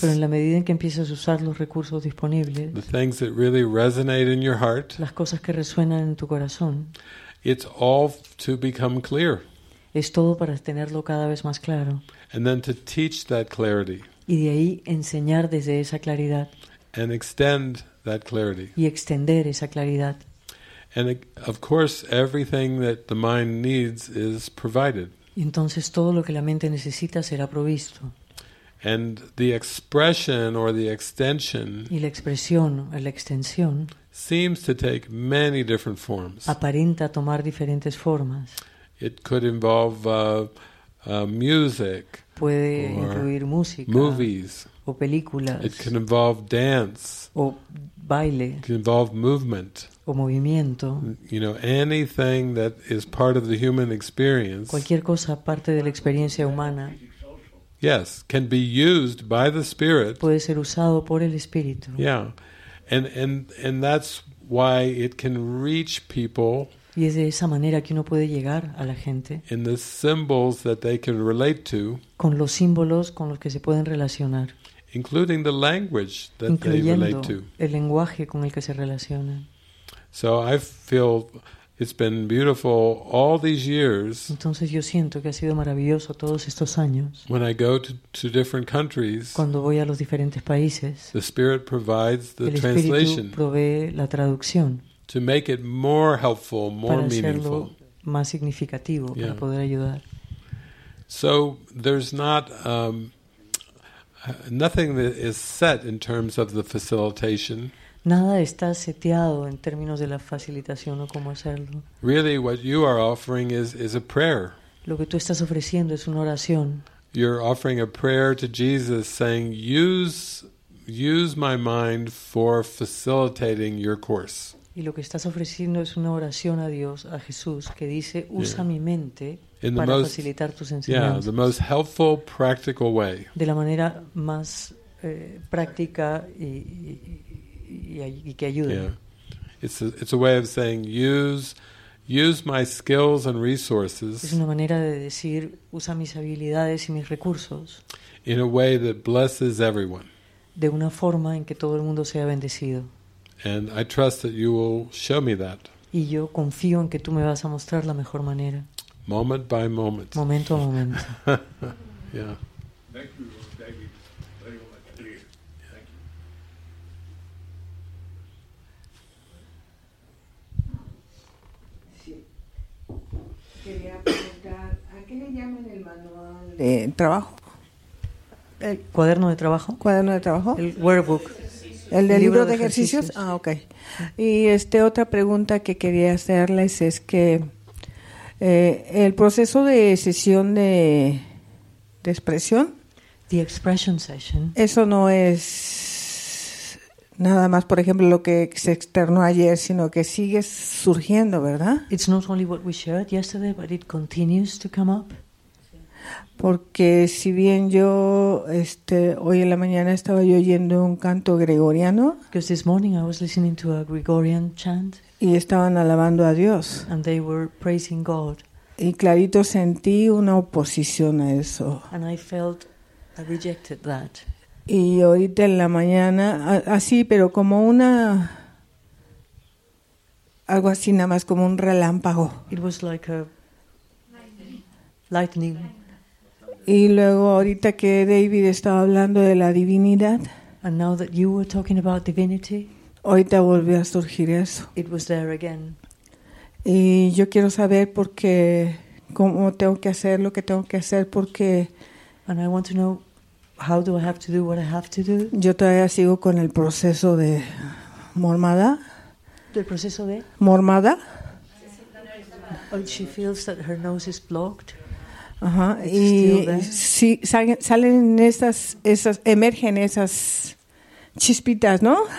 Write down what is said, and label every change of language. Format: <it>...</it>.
<es>pero en la medida en que empiezas a usar los recursos disponibles,</es> <en>the things that really resonate in your heart,</en> <es>las cosas que resuenan en tu corazón,</es> <en>it's all to become clear.</en> <es>Es todo para tenerlo cada vez más claro.</es> <en>And then to teach that clarity.</en> <es>Y de ahí enseñar desde esa claridad.</es> <en>And extend that clarity.</en> <es>Y extender esa claridad.</es> <en>And of course, everything that the mind needs is provided.</en> <es>Entonces todo lo que la mente necesita será provisto.</es> <en>And the expression or the extension.</en> <es>Y la expresión o la extensión.</es> <en>Seems to take many different forms.</en> <es>Aparenta tomar diferentes formas.</es> <en>It could involve music,</en> <es>puede incluir música,</es> <en>movies,</en> <es>o películas.</es> <en>It can involve dance,</en> <es>o baile.</es> <en>It can involve movement,</en> <es>o movimiento.</es> <en>You know, anything that is part of the human experience,</en> <es>cualquier cosa parte de la experiencia humana.</es> <en>Yes, can be used by the spirit.</en> <es>Puede ser usado por el espíritu.</es> <en>Yeah, and that's why it can reach people.</en> <es>Y es de esa manera que uno puede llegar a la gente.</es> <en>In the symbols that they can relate to,</en> <es>con los símbolos con los que se pueden relacionar.</es> <en>Including the language that they relate to.</en> <es>Incluyendo el lenguaje con el que se relacionan.</es> <en>So I feel it's been beautiful all these years.</en> <es>Entonces yo siento que ha sido maravilloso todos estos años.</es> <en>When I go to different countries,</en> <es>cuando voy a los diferentes países,</es> <en>the spirit provides the translation.</en> <es>El espíritu provee la traducción.</es> <en>To make it more helpful, more meaningful.</en> <es>Para hacerlo más significativo, yeah. Para poder ayudar.</es> <en>So there's not nothing that is set in terms of the facilitation.</en> <es>Nada está seteado en términos de la facilitación o cómo hacerlo.</es> <en>Really, what you are offering is a prayer.</en> <es>Lo que tú estás ofreciendo es una oración.</es> <en>You're offering a prayer to Jesus, saying, "Use my mind for facilitating your course."</en> <es>Y lo que estás ofreciendo es una oración a Dios, a Jesús, que dice, usa mi mente para facilitar tus enseñanzas.</es> <en>Yeah, the most helpful, practical way.</en> <es>De la manera más práctica y que ayude.</es> <en>Yeah. It's a way of saying, use my skills and resources.</en> <es>Es una manera de decir, usa mis habilidades y mis recursos.</es> <en>In a way that blesses everyone.</en> <es>De una forma en que todo el mundo sea bendecido.</es> <en>And I trust that you will show me that.</en> <es>Y yo confío en que tú me vas a mostrar la mejor manera.</es> <en>Moment by moment.</en> <es>Momento a momento.</es> <en>Yeah. Thank you, David. Very much clear. Thank you. Sí.</en> <es>Quería preguntar, ¿a qué le llaman el manual de trabajo? ¿El cuaderno de trabajo? ¿Cuaderno de trabajo? El workbook. ¿El del libro de ejercicios? Ah, ok. Y otra pregunta que quería hacerles es que el proceso de sesión de expresión.</es> <en>The expression session.</en> <es>Eso no es nada más, por ejemplo, lo que se externó ayer, sino que sigue surgiendo, ¿verdad?</es> <en>It's not only what we shared yesterday, but it continues to come up.</en> <es>Porque si bien yo hoy en la mañana estaba yo oyendo un canto gregoriano,</es> <en>because this morning I was listening to a Gregorian chant,</en> <es>y estaban alabando a Dios,</es> <en>and they were praising God,</en> <es>y clarito sentí una oposición a eso,</es> <en>and I felt I rejected that.</en> <es>Y ahorita en la mañana, así, pero como una... Algo así, nada más como un relámpago.</es> <en>It was like a lightning.</en> <es>Y luego ahorita que David estaba hablando de la divinidad.</es> <en>And now that you were talking about divinity.</en> <es>Ahorita volvió a surgir eso.</es> <en>It was there again.</en> <es>Y yo quiero saber por qué, cómo tengo que hacer lo que tengo que hacer, porque.</es> <en>And I want to know how do I have to do what I have to do.</en> <es>Yo todavía sigo con el proceso de mormada. ¿El proceso de? Mormada.</es> <en>Oh, she feels that her nose is blocked.</en> <es>Ajá. Y sí, salen esas emergen esas chispitas, ¿no?</es>